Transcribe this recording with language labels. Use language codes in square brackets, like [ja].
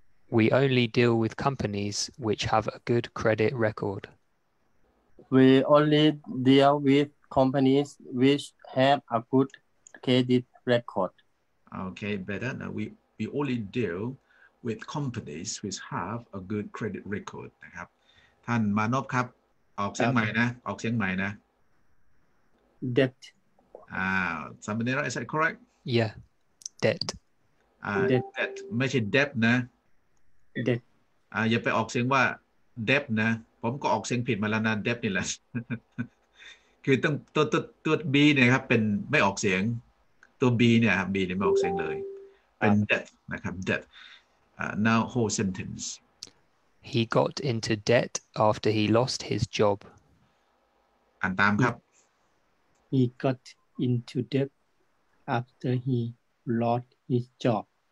[en] We only deal with companies which have a good credit record. We only deal with companies which have a good credit record. Okay, better. Now we only deal with companies which have a good credit record. [th] นะครับ ท่านมานพครับ ออกเสียงใหม่นะ ออกเสียงใหม่นะ [en] Debt. Samanera, is that correct? Yeah. Debt. Debt. [th] ไม่ใช่ debt นะ [en] debt [th] อย่าไปออกเสียงว่า debt นะผมก็ออกเสียงผิดมาแล้วนะ debt นี่แหละ คือต้องตัว b เนี่ยครับเป็นไม่ออกเสียงตัว b เนี่ยครับ b เนี่ยไม่ออกเสียงเลยเป็น debt นะครับ debt [en] now whole sentence he got into debt after he lost his job [th] อ่านตามครับ [en] he got into debt after he lost his job